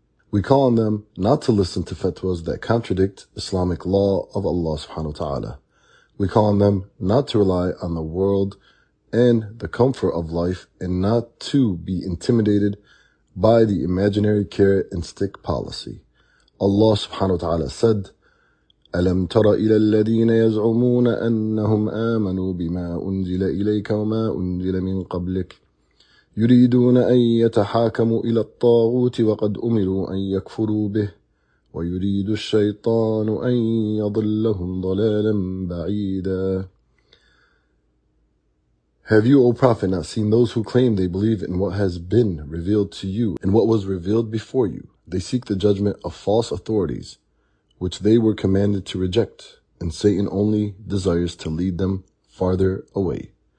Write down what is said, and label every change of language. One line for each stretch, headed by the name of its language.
English: We call on them not to listen to fatwas that contradict Islamic law of Allah subhanahu wa ta'ala. We call on them not to rely on the world and the comfort of life and not to be intimidated by the imaginary carrot and stick policy. Allah subhanahu wa ta'ala said,
Arabic: ألم تر إلى الذين يزعمون أنهم آمنوا بما أنزل إليك وما أنزل من قبلك يريدون أن يتحاكموا إلى الطاغوت وقد أمروا أن يكفروا به ويريد الشيطان أن يضلهم ضلالا بعيدا.
English: Have you, O prophet, not seen those who claim they believe in what has been revealed to you and what was revealed before you? They seek the judgment of false authorities, which they were commanded to reject, and Satan only desires to lead them farther away.